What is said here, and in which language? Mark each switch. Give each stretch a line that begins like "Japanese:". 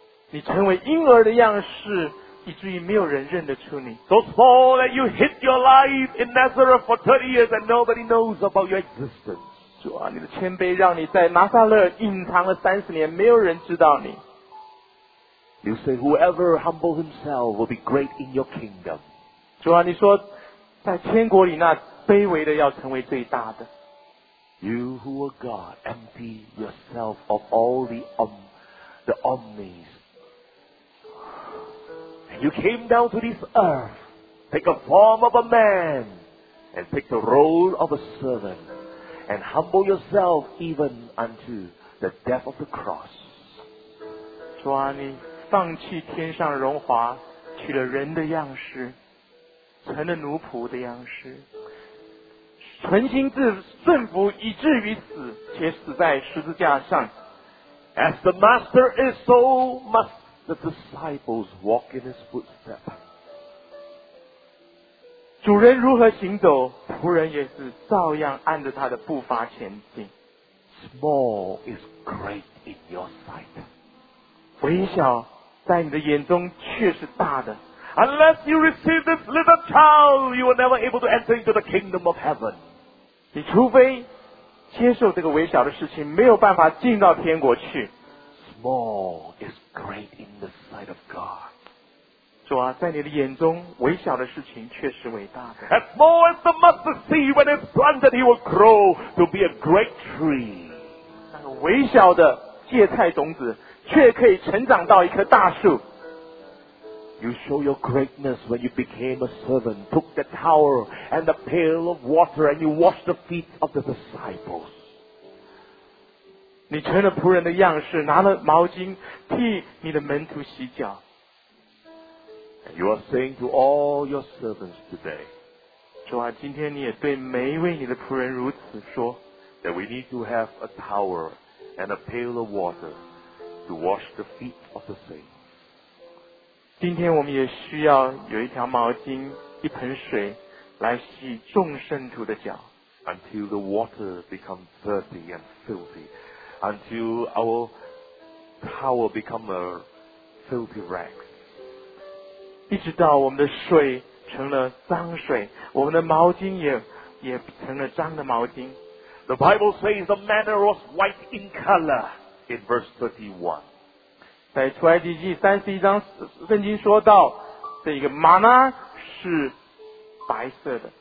Chinese: 你成为婴儿的样式，以至于没有人认得出你。
English: So small that you hid your life in Nazareth for 30 years, and nobody knows about your existence.
Chinese: 主啊，你的谦卑让你在拿撒勒隐藏了30年，没有人知道你。
English: You say, whoever humbles himself will be great in your kingdom.
Chinese: 主啊，你说在天国里那卑微的要成为最大的。
English: You who are God, empty yourself of all the omnis. And you came down to this earth, take a form of a man, and take the role of a servant, and humble yourself even unto the death of the cross.
Chinese: 主啊，你放弃天上荣华，取了人的样式，成了奴仆的样式，存心自顺服，以至于死，且死在十字架上。
English: As the master is, so must the disciples walk in his footsteps.
Chinese: 主人如何行走，仆人也是照样按着他的步伐前进。
English: Small is great in your sight.
Chinese: 微小在你的眼中却是大的。
English: Unless you receive this little child, you are never able to enter into the kingdom of heaven.
Chinese: 你除非接受这个微小的事情，没有办法进到天国去。
English: Small is great in the sight of God.
Chinese: 主啊，在你的眼中微小的事情却是伟大的。
English: As small as the mustard seed, when it's planted, he will grow to be a great tree.
Chinese: 那个微小的芥菜种子却可以成长到一棵大树。
English: You show your greatness when you became a servant, took the towel and the pail of water, and you washed the feet of the disciples.
Chinese: 你成了仆人的样式，拿了毛巾替你的门徒洗脚。
English: And you are saying to all your servants today,
Chinese: 主啊，今天你也对每一位你的仆人如此说。
English: That we need to have a towel and a pail of water. To wash the feet of the saints.
Chinese: 今天我们也需要有一条毛巾，一盆水，来洗众圣徒的脚。
English: Until the water becomes dirty and filthy, until our towel becomes a filthy rag.
Chinese: 一直到我们的水成了脏水，我们的毛巾也成了脏的毛巾。
English: The Bible says the manna was white in color. In verse 31,
Chinese: 在出埃及记31章，圣经说到这个玛纳是白色的。